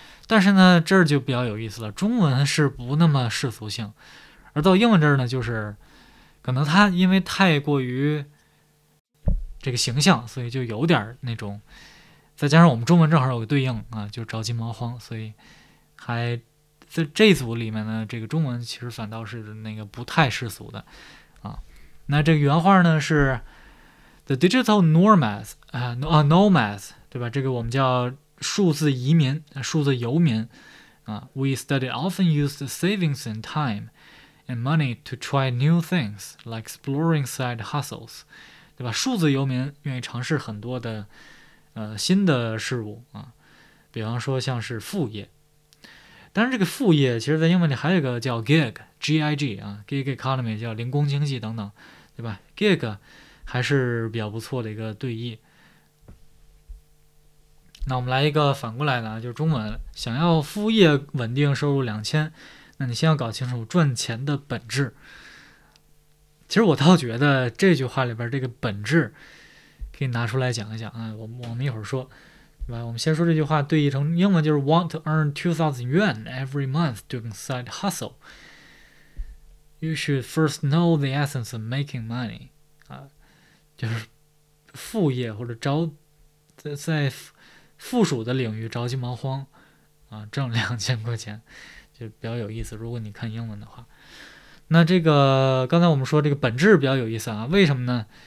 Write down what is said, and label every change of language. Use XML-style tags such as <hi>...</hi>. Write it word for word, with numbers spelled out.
<zh>但是呢这儿就比较有意思了，中文是不那么世俗性，而到英文这儿呢，就是可能它因为太过于这个形象，所以就有点那种，再加上我们中文正好有个对应啊，就着急忙慌，所以还在这组里面呢，这个中文其实反倒是那个不太世俗的啊。那这个原话呢是 The digital nomads 啊、uh, nomads 对吧，这个我们叫数字移民，数字游民啊。</zh> <en>We study often used savings and time and money to try new things, like exploring side hustles，</en> <zh>对吧？数字游民愿意尝试很多的呃新的事物啊，比方说像是副业。但是这个副业其实在英文里还有一个叫 gig G I G 啊 gig economy 叫零工经济等等，对吧？ gig 还是比较不错的一个对译。那我们来一个反过来的啊，就是中文，想要副业稳定收入两千，那你先要搞清楚赚钱的本质。其实我倒觉得这句话里边这个本质可以拿出来讲一讲啊，我们我们一会儿说，对吧？我们先说这句话对译成英文就是</zh> <en>want to earn two thousand yuan every month doing side hustle. You should first know the essence of making money.</en> <zh>啊，就是副业或者着在在附属的领域着急忙慌啊，挣两千块钱就比较有意思。如果你看英文的话，那这个刚才我们说这个本质比较有意思啊，为什么呢？</zh>